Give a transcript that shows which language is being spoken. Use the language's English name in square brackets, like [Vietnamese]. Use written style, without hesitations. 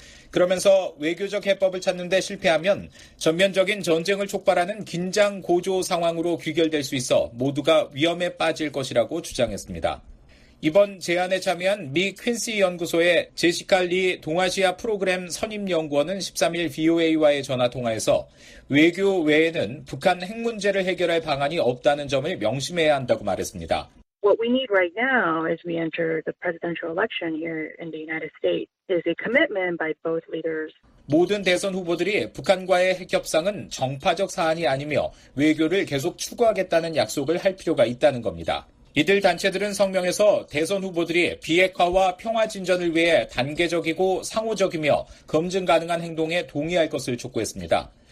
[Korean] 그러면서 외교적 해법을 찾는 데 실패하면 전면적인 전쟁을 촉발하는 긴장 고조 상황으로 귀결될 수 있어 모두가 위험에 빠질 것이라고 주장했습니다. 이번 제안에 참여한 미 퀸시 연구소의 제시카 리 동아시아 프로그램 선임 연구원은 13일 VOA와의 전화 통화에서 외교 외에는 북한 핵 문제를 해결할 방안이 없다는 점을 명심해야 한다고 말했습니다. [English] What we need right now as we enter the presidential election here in the United States is a commitment by both leaders. [Korean] 모든 대선 후보들이 북한과의 핵 협상은 정파적 사안이 아니며 외교를 계속 추구하겠다는 약속을 할 필요가 있다는 겁니다. 이들 단체들은 성명에서 대선 후보들이 비핵화와 평화 진전을 위해 단계적이고 상호적이며 검증 가능한 행동에 동의할 것을 촉구했습니다.